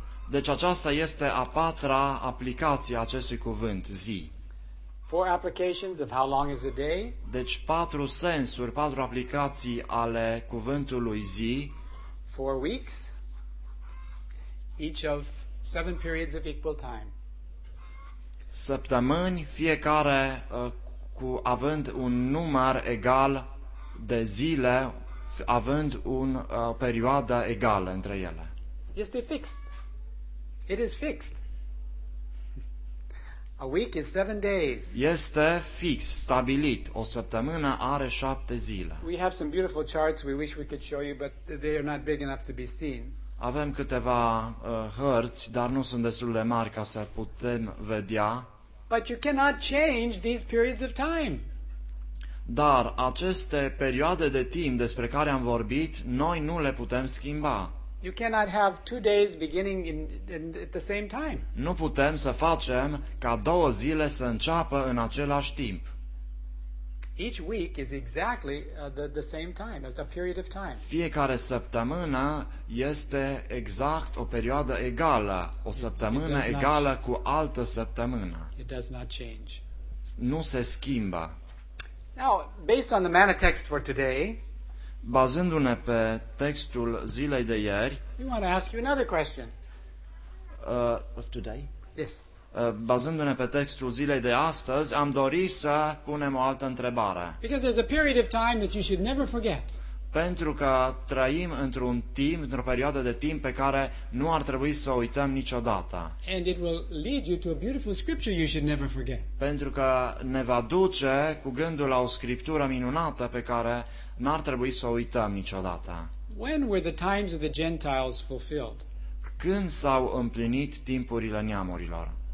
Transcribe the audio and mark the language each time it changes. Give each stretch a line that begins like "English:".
Romanian: Deci aceasta este a patra aplicație a acestui cuvânt, zi.
English: Four applications of how long is a day?
Romanian: Deci patru sensuri, patru aplicații ale cuvântului zi.
English: Four weeks. Each of 7 periods of equal time.
Romanian: Săptămâni, fiecare cu având un număr egal de zile, având un perioadă egală între ele.
English: Este fixed. It is fixed. A week is 7 days.
Romanian: Este fix, stabilit. O săptămână are 7 zile.
English: We have some beautiful charts we wish we could show you, but they are not big enough to be seen.
Romanian: Avem câteva hărți, dar nu sunt destul de mari ca să putem vedea.
English: But you cannot change these periods of time.
Romanian: Dar aceste perioade de timp despre care am vorbit, noi nu le putem schimba.
English: You cannot have 2 days beginning in at the same time.
Romanian: Nu putem să facem ca 2 zile să înceapă în același timp.
English: Each week is exactly the same time. It's a period of time.
Romanian: Fiecare săptămână este exact o perioadă egală, o săptămână egală cu altă săptămână.
English: It does not change.
Romanian: Nu se schimbă.
English: Now, based on the manna text for today,
Romanian: bazându-ne pe textul zilei de ieri,
English: we want to ask you another question. Of today? Yes.
Romanian: Bazându-ne pe textul zilei de astăzi, am dorit să punem o altă întrebare.
English: Because there's a period of time that you should never forget.
Romanian: Pentru că trăim într-un timp, într-o perioadă de timp pe care nu ar trebui să uităm niciodată.
English: And it will lead you to a beautiful scripture you should never forget.
Romanian: Pentru că ne va duce cu gândul la o scriptură minunată pe care n-ar trebui să o uităm niciodată.
English: When were the times of the Gentiles fulfilled?
Romanian: Când s-au împlinit timpurile neamurilor?